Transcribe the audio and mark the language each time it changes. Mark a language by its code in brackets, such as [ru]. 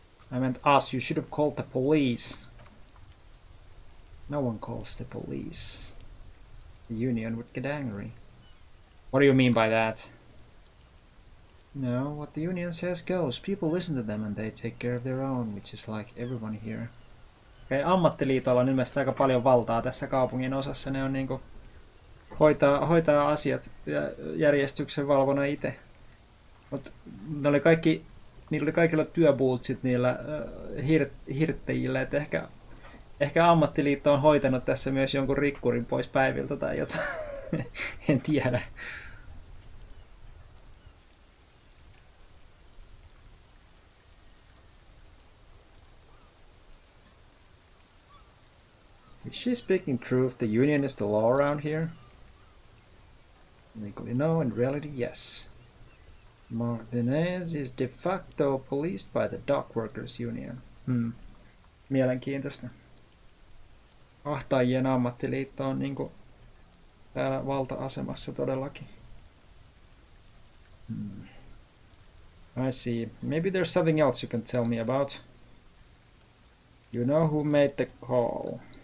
[en] I meant us. You should have called the police. No one calls the police. The union would get angry. What do you mean by that? No, what the union says goes. People listen to them and they take care of their own, which is like everyone here. [fi] Okay, ammattiliitolla on ilmeisesti aika paljon valtaa tässä kaupungin osassa. Ne on niinku hoitaa asiat ja järjestyksen valvona itse. Mut niillä oli kaikilla työbultsit niillä hirttäjillä, että ehkä ammattiliitto on hoitanut tässä myös jonkun rikkurin pois päiviltä tai jotain. En tiedä. [en] Is she speaking truth? The union is the law around here? Legally no, in reality yes. Martinez is de facto policed by the dock workers union. [fi] Mielenkiintoista. Ahtaajien ammattiliitto on niinku täällä valta-asemassa todellakin. [en] I see. Maybe there's something else you can tell me about. You know who made the call.